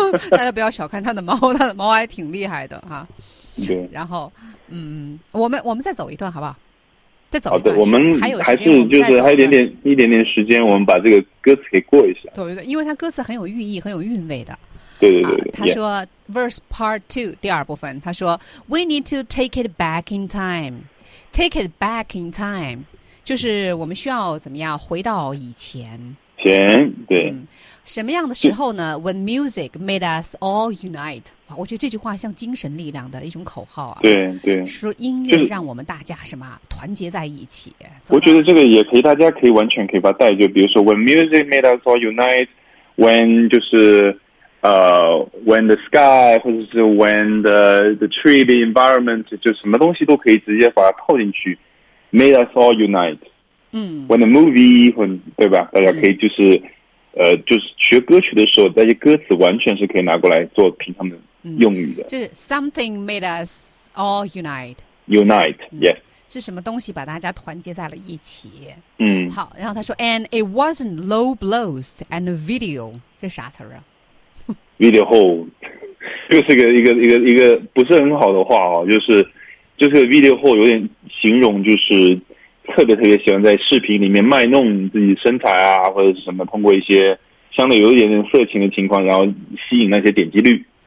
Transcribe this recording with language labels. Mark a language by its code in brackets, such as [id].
[zh] 大家不要小看他的猫，他的猫还挺厉害的哈、啊。然后，嗯，我们再走一段好不好？再走一段。好的，我们还有还是就是还有一点点时间，我们把这个歌词给过一下。走一段，因为他歌词很有寓意，很有韵味的。对，他说、yeah. verse part two 第二部分，他说 [en] we need to take it back in time， take it back in time [zh] 就是我们需要怎么样回到以前。前对、嗯。什么样的时候呢？ [en] When music made us all unite， [zh] 我觉得这句话像精神力量的一种口号啊。对对。说音乐让我们大家什么、就是、团结在一起。我觉得这个也可以，大家可以完全可以把它带，就比如说 [en] when music made us all unite， [zh] when 就是。 [en] When the sky [zh] 或者是 [en] when the tree the environment [zh] 就什么东西都可以直接把它套进去 [en] made us all unite、嗯、 when the movie [zh] 或对吧大家可以就是、嗯、就是学歌曲的时候那些歌词完全是可以拿过来做平常的用语的、 [en] 嗯、 [zh] 就是 [en] something made us all unite unite、嗯、yes [zh] 是什么东西把大家团结在了一起嗯好然后他说 [en] and it wasn't low blows and video [zh] 这啥词啊 video hole 就是一个不是很好的话啊，就是 video hole 有点形容就是特别特别喜欢在视频里面卖弄自己身材啊或者是什么通过一些相对有一点点色情的情况然后吸引那些点击率